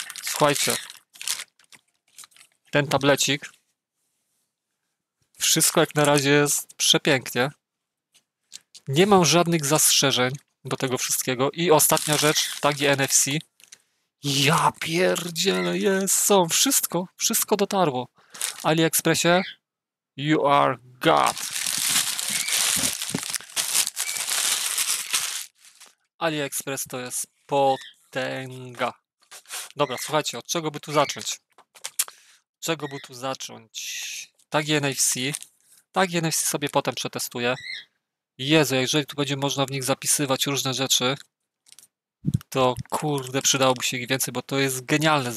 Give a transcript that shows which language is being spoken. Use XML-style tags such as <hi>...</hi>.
<pl>Słuchajcie, ten tablecik. Wszystko jak na razie jest przepięknie. Nie mam żadnych zastrzeżeń do tego wszystkiego. I ostatnia rzecz, tagi NFC. Ja pierdziele, jest, są, wszystko, wszystko dotarło.</pl> <en>AliExpressie, you are God.</en> <pl>AliExpress to jest potęga. Dobra, słuchajcie, od czego by tu zacząć? Czego by tu zacząć? Tagi NFC. Tagi NFC sobie potem przetestuję. Jezu, jeżeli tu będzie można w nich zapisywać różne rzeczy, to kurde, przydałoby się ich więcej, bo to jest genialne.</pl>